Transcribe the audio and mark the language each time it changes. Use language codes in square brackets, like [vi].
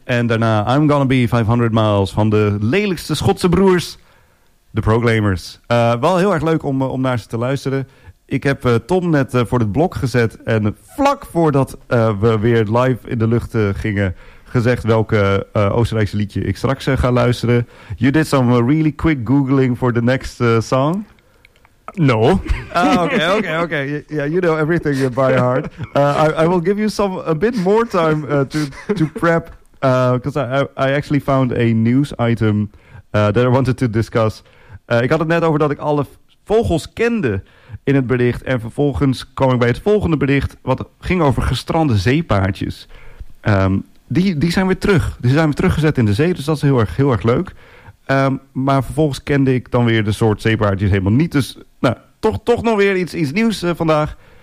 [nl] En daarna I'm Gonna Be 500 Miles van de lelijkste Schotse broers, de Proclaimers. Wel heel erg leuk om naar ze te luisteren. Ik heb Tom net voor het blok gezet en vlak voordat we weer live in de lucht gingen, gezegd welke Oostenrijkse liedje ik straks ga luisteren. [en] You did some really quick googling for the next song? No. Okay. Yeah, you know everything by heart. I will give you a bit more time to prep, because I actually found a news item that I wanted to discuss. [nl] Ik had het net over dat ik alle vogels kende in het bericht en vervolgens kwam ik bij het volgende bericht wat ging over gestrande zeepaardjes. Die zijn weer terug. Die zijn weer teruggezet in de zee, dus dat is heel erg leuk. Maar vervolgens kende ik dan weer de soort zeepaardjes helemaal niet. Dus nou, toch nog weer iets nieuws vandaag.